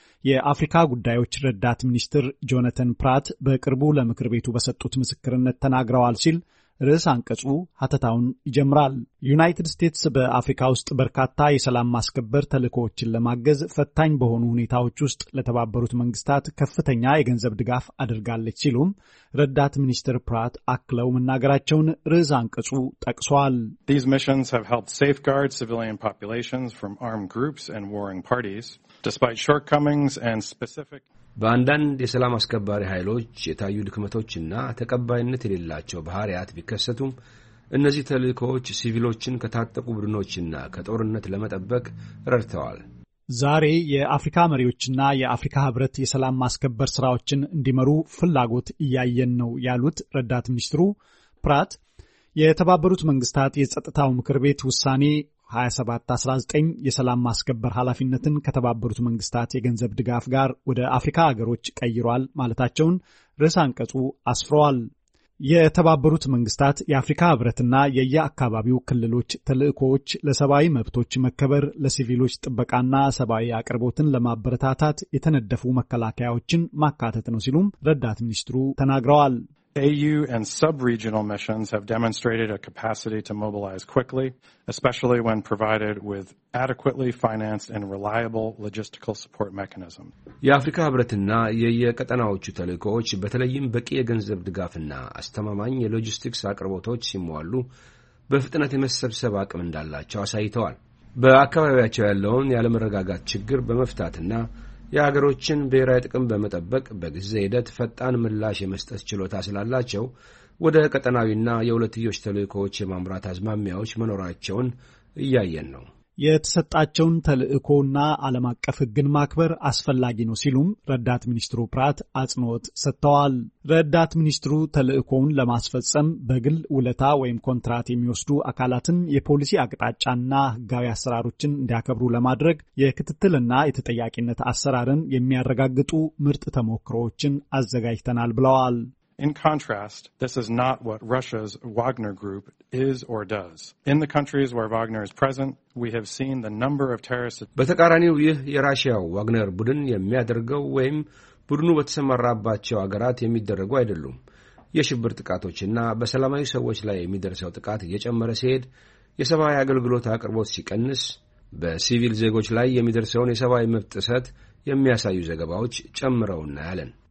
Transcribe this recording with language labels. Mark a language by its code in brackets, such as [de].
[am] የአፍሪካ ጉዳዮች ረዳት ሚኒስትር ጆናታን ፕራት በቅርቡ ለምክር ቤቱ በሰጡት ምስክርነት ተናግረዋል ሲል ርዕስ አንቀጹ ሀተታውን ይጀምራል። ዩናይትድ ስቴትስ በአፍሪካ ውስጥ በርካታ የሰላም ማስከበር ተልእኮዎችን ለማገዝ ፈታኝ በሆኑ ሁኔታዎች ውስጥ ለተባበሩት መንግስታት ከፍተኛ የገንዘብ ድጋፍ አድርጋለች ሲሉም ረዳት ሚኒስትር ፕራት አክለው መናገራቸውን ርዕስ አንቀጹ ጠቅሷል። [en] These missions have helped safeguard civilian populations from armed groups and warring parties. Despite shortcomings and specific [am] በአንዳንድ የሰላም አስከባሪ ኃይሎች የታዩ ድክመቶችና ተቀባይነት የሌላቸው ባህሪያት ቢከሰቱም እነዚህ ተልእኮዎች ሲቪሎችን ከታጠቁ ቡድኖችና ከጦርነት ለመጠበቅ ረድተዋል። ዛሬ የአፍሪካ መሪዎችና የአፍሪካ ህብረት የሰላም ማስከበር ስራዎችን እንዲመሩ ፍላጎት እያየን ነው ያሉት ረዳት ሚኒስትሩ ፕራት የተባበሩት መንግስታት የጸጥታው ምክር ቤት ውሳኔ 2719 የሰላም ማስከበር ኃላፊነትን ከተባበሩት መንግስታት የገንዘብ ድጋፍ ጋር ወደ አፍሪካ ሀገሮች ቀይሯል ማለታቸውን ርዕስ አንቀጹ አስፍሯል። የተባበሩት መንግስታት የአፍሪካ ህብረትና የየአካባቢው ክልሎች ተልእኮዎች ለሰብአዊ መብቶች መከበር፣ ለሲቪሎች ጥበቃና ሰብአዊ አቅርቦትን ለማበረታታት የተነደፉ መከላከያዎችን ማካተት ነው ሲሉም ረዳት ሚኒስትሩ ተናግረዋል። [en] AU and sub-regional missions have demonstrated a capacity to mobilize quickly, especially when provided with adequately financed and reliable logistical support mechanisms. [am] የአፍሪካ ህብረትና የየቀጠናዎቹ ተልእኮዎች በተለይም በቂ የገንዘብ ድጋፍና አስተማማኝ የሎጂስቲክስ አቅርቦቶች ሲሟሉ በፍጥነት የመሰብሰብ አቅም እንዳላቸው አሳይተዋል። በአካባቢያቸው ያለውን ያለመረጋጋት ችግር በመፍታትና የሀገሮችን ብሔራዊ ጥቅም በመጠበቅ በጊዜ ሂደት ፈጣን ምላሽ የመስጠት ችሎታ ስላላቸው ወደ ቀጠናዊና የሁለትዮሽ ተልእኮዎች የማምራት አዝማሚያዎች መኖራቸውን እያየን ነው። የተሰጣቸውን ተልእኮና ዓለም አቀፍ ሕግን ማክበር አስፈላጊ ነው ሲሉም ረዳት ሚኒስትሩ ፕራት አጽንኦት ሰጥተዋል። ረዳት ሚኒስትሩ ተልእኮውን ለማስፈጸም በግል ውለታ ወይም ኮንትራት የሚወስዱ አካላትን የፖሊሲ አቅጣጫና ሕጋዊ አሰራሮችን እንዲያከብሩ ለማድረግ የክትትልና የተጠያቂነት አሰራርን የሚያረጋግጡ ምርጥ ተሞክሮዎችን አዘጋጅተናል ብለዋል። [en] In contrast, this is not what Russia's Wagner group is or does. In the countries where Wagner is present, we have seen the number of terrorists. [am] በተቃራኒው ይህ የራሽያው ዋግነር ቡድን የሚያደርገው ወይም ቡድኑ በተሰማራባቸው አገራት የሚደረጉ አይደሉም። የሽብር ጥቃቶችና በሰላማዊ ሰዎች ላይ የሚደርሰው ጥቃት እየጨመረ ሲሄድ፣ የሰብአዊ አገልግሎት አቅርቦት ሲቀንስ፣ በሲቪል ዜጎች ላይ የሚደርሰውን የሰብአዊ መብት ጥሰት የሚያሳዩ ዘገባዎች ጨምረውና ያለን።